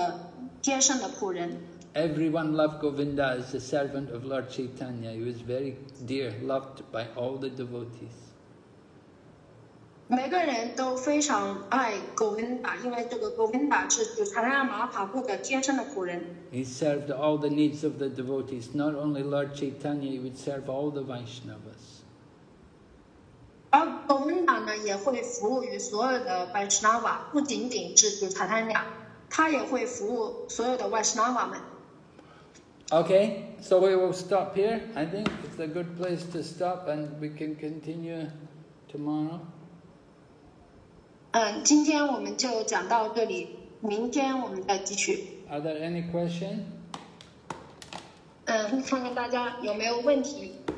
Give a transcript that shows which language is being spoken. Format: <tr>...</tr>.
<zh>萨瓦邦玛巴塔恰雅说完这番话之后呢，主查坦雅就变得高兴起来，并且拥抱了古文达。就这样呢，古文达成了他的贴身的仆人。Everyone</zh> <en>loved Govinda as the servant of Lord Chaitanya. He was very dear, loved by all the devotees.</en> <zh>每个人都非常爱古文达，因为这个古文达是查坦雅马哈普的贴身的仆人。</zh> <en>He served all the needs of the devotees, not only Lord Chaitanya, he would serve all the Vaishnavas.</en> <zh>而古文达呢，也会服务于所有的Vaishnava，不仅仅是查坦雅，他也会服务所有的Vaishnava们。Okay,</zh> <en>so we will stop here. I think it's a good place to stop, and we can continue tomorrow.</en> <zh>今天我们就讲到这里，明天我们再继续。Are</zh> <en>there any question?</en> <zh>看看大家有没有问题。</zh>